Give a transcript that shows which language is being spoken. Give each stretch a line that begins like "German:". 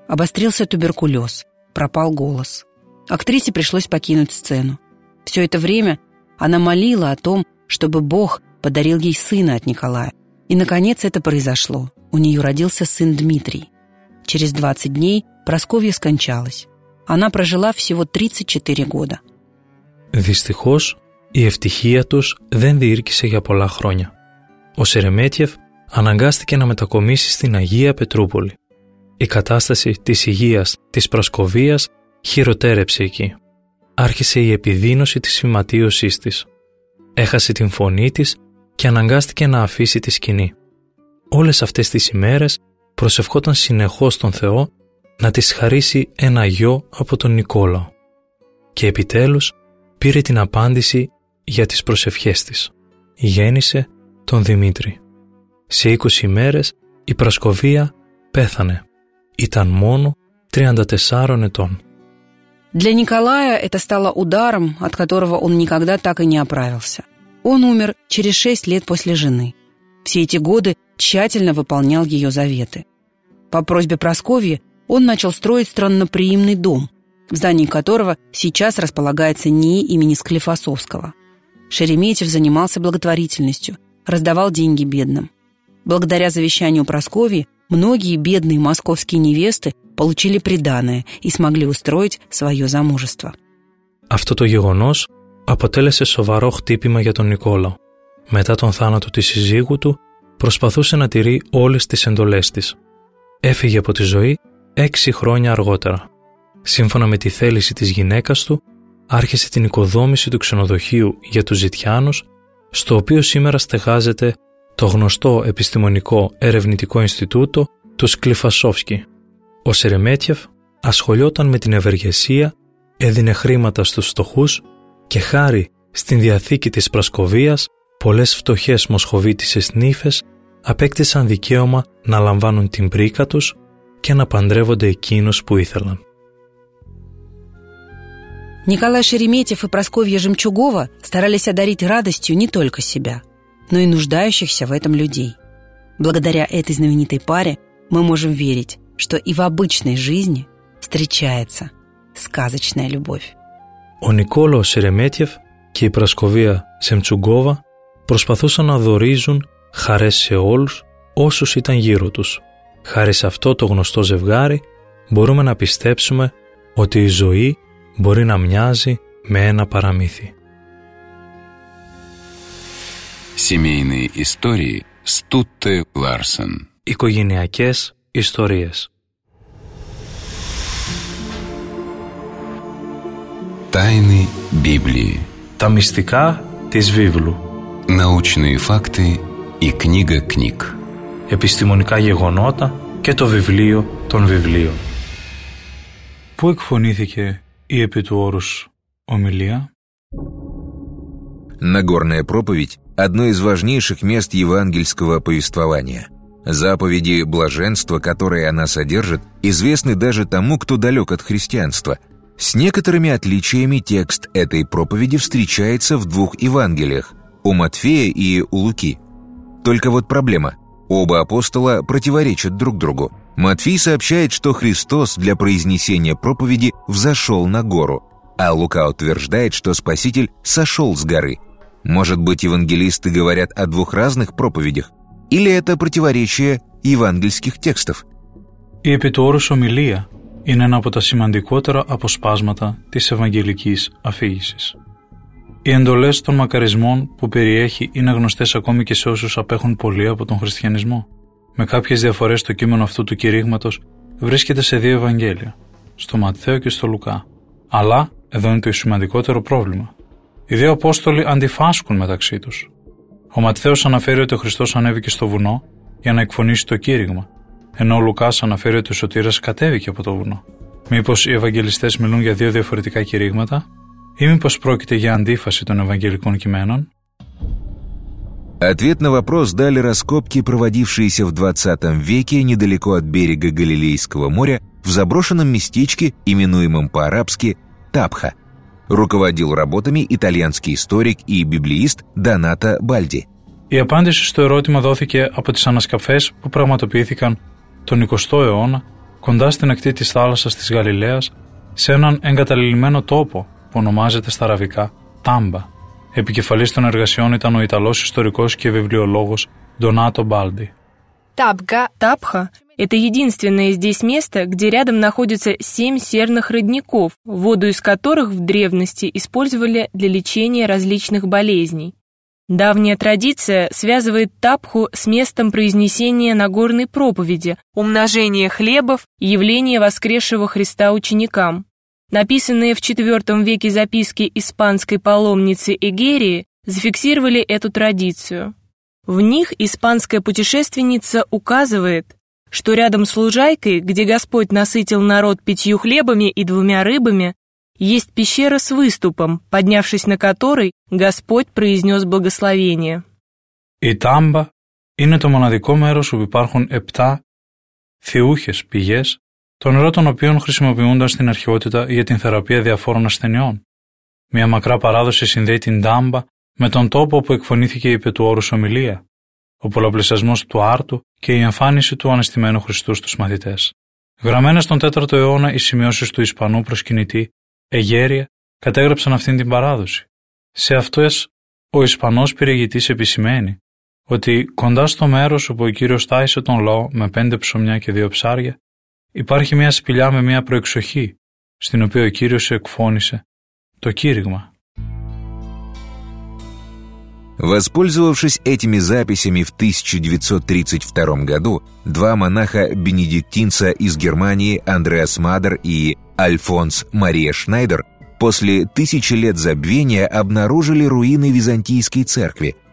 Russian: Обострился туберкулез, пропал голос. Актрисе пришлось покинуть сцену. Все это время она молила о том, чтобы Бог подарил ей сына от Николая. И, наконец, это произошло. У нее родился сын Дмитрий. Через 20 дней Прасковья скончалась. Она прожила всего 34 года.
Greek: Дистихос, η ευτυχία τους δεν διήρκησε για πολλά χρόνια. Ο Σερεμέτιεφ αναγκάστηκε να μετακομίσει στην Αγία Πετρούπολη. Η κατάσταση της υγείας της Πρασκοβίας χειροτέρεψε εκεί. Άρχισε η επιδείνωση της σηματίωσής της. Έχασε την φωνή της και αναγκάστηκε να αφήσει τη σκηνή. Όλες αυτές τις ημέρες προσευχόταν συνεχώς τον Θεό να της χαρίσει ένα γιο από τον Νικόλαο. Και επιτέλους πήρε την απάντηση για τις προσευχές της. Γέννησε τον Δημήτρη. Σε 20 ημέρες η Πρασκοβία πέθανε. Ήταν μόνο 34 ετών.
Russian: Для Николая это стало ударом, от которого он никогда так и не оправился. Он умер через 6 лет после жены. Все эти годы тщательно выполнял ее заветы. По просьбе Прасковьи он начал строить странноприимный дом, в здании которого сейчас располагается НИИ имени Склифосовского. Шереметьев занимался благотворительностью, раздавал деньги бедным. Благодаря завещанию Прасковьи многие бедные московские невесты получили приданое и смогли устроить свое замужество.
Greek: Αυτό το γεγονός αποτέλεσε σοβαρό χτύπημα για τον Νικόλαο. Μετά τον θάνατο της σύζυγου του, προσπαθούσε να τηρεί όλες τις εντολές της. Έφυγε από τη ζωή 6 χρόνια αργότερα. Σύμφωνα με τη θέληση της γυναίκας του, άρχισε την οικοδόμηση του ξενοδοχείου για τους Ζητιάνους, στο οποίο σήμερα στεγάζεται το γνωστό επιστημονικό ερευνητικό Ινστιτούτο του Σκλιφασόφσκι. Ο Σερεμέτιεφ ασχολιόταν με την ευεργεσία, έδινε χρήματα στους φτωχούς και χάρη στην διαθήκη της Πρασκοβίας, πολλές φτωχές μοσχοβίτισες νύφες απέκτησαν δικαίωμα να λαμβάνουν την πρίκα τους και να παντρεύονται εκείνους που ήθελαν.
Russian: Николай Шереметьев и Прасковья Жемчугова старались одарить радостью не только себя, но и нуждающихся в этом людей. Благодаря этой знаменитой паре мы можем верить, что и в обычной жизни встречается сказочная любовь.
Greek: Ο Николаος Шереметьев και η Прасковья Жемчугова προσπαθούσαν να δωρίζουν χαρές σε όλους όσους ήταν γύρω τους. Χάρη σε αυτό το γνωστό ζευγάρι μπορούμε να πιστέψουμε ότι η ζωή μπορεί να μοιάζει με ένα παραμύθι.
Russian: Семейные истории Стутте Ларсен.
Greek: Οικογενειακές ιστορίες.
Russian: Тайны Библии.
Greek: Τα μυστικά της Βίβλου.
Russian: Научные факты и книга книг.
Greek: Επιστημονικά γεγονότα και το βιβλίο των βιβλίων. Πού εκφωνήθηκε η επί του όρους ομιλία?
Russian: Нагорная проповедь – одно из важнейших мест евангельского повествования. Заповеди блаженства, которые она содержит, известны даже тому, кто далек от христианства. С некоторыми отличиями текст этой проповеди встречается в двух Евангелиях – у Матфея и у Луки. Только вот проблема – оба апостола противоречат друг другу. Матфей сообщает, что Христос для произнесения проповеди взошел на гору, а Лука утверждает, что Спаситель сошел с горы. Может быть, евангелисты говорят о двух разных проповедях? Или это противоречие евангельских текстов?
Greek: Η επιτόρους ομιλία είναι ένα από τα σημαντικότερα αποσπάσματα της Ευαγγελικής αφήγησης. Οι εντολές των μακαρισμών που περιέχει είναι γνωστές ακόμη και σε όσους απέχουν πολύ από τον χριστιανισμό. Με κάποιες διαφορές, το κείμενο αυτού του κηρύγματος βρίσκεται σε δύο Ευαγγέλια, στο Ματθαίο και στο Λουκά. Αλλά εδώ είναι το σημαντικότερο πρόβλημα. Οι δύο Απόστολοι αντιφάσκουν μεταξύ τους. Ο Ματθαίος αναφέρει ότι ο Χριστός ανέβηκε στο βουνό για να εκφωνήσει το κήρυγμα, ενώ ο Λουκάς αναφέρει ότι ο Σωτήρας κατέβηκε από το βουνό. Μήπως οι Ευαγγελιστές μιλούν για δύο διαφορετικά κηρύγματα, ή μήπως πρόκειται για αντίφαση των Ευαγγελικών κειμένων?
Russian: Ответ на вопрос дали раскопки, проводившиеся в 20 веке недалеко от берега Галилейского моря в заброшенном местечке, именуемом по-арабски Табха. Руководил работами итальянский историк и библеист Донато Бальди.
Greek: Η απάντηση στο ερώτημα δόθηκε από τις ανασκαφές που πραγματοποιήθηκαν τον 20ο αιώνα κοντά στην ακτή της θάλασσας της Γαλιλαίας σε έναν εγκαταλελειμμένο τόπο που ονομάζεται στα αραβικά Τάμπα. Επικεφαλής των εργασιών ήταν ο Ιταλός ιστορικός και βιβλιολόγος Ντονάτο Μπάλντι. Τάμπχα είναι το
Russian: единственное здесь место, где рядом находятся 7 серных родников, воду из которых в древности использовали для лечения различных болезней. Давняя традиция связывает Табху с местом произнесения Нагорной проповеди, умножения хлебов и явления воскресшего Христа ученикам. Написанные в IV веке записки испанской паломницы Эгерии зафиксировали эту традицию. В них испанская путешественница указывает, что рядом с лужайкой, где Господь насытил народ 5 хлебами и 2 рыбами, есть пещера с выступом, поднявшись на который Господь произнес благословение.
Greek: Η Τάμπα είναι το μοναδικό μέρος όπου υπάρχουν 7 θεούχες πηγές, το νερό των οποίων χρησιμοποιούνταν στην αρχαιότητα για την θεραπεία διαφόρων ασθενειών. Μια μακρά παράδοση συνδέει την Τάμπα με τον τόπο όπου εκφωνήθηκε η επετουόρους ομιλία, ο πολλαπλησιασμός του Άρτου και η εμφάνιση του Αναστημένου Χριστού στους μαθητές. Γραμμένες τον 4ο αιώνα, οι σημειώσεις του Ισπανού προσκυνητή Εγέρια κατέγραψαν αυτήν την παράδοση. Σε αυτές, ο Ισπανός πυρηγητής επισημαίνει ότι κοντά στο μέρος όπου ο Κύριος τάισε τον λαό με 5 ψωμιά και 2 ψάρια, υπάρχει μια σπηλιά με μια προεξοχή, στην οποία ο Κύριος εκφώνησε το κήρυγμα.
Russian: Воспользовавшись этими записями в 1932 году, два монаха-бенедиктинца из Германии Андреас Мадер и Альфонс Мария Шнайдер после тысячи лет забвения обнаружили руины византийской церкви.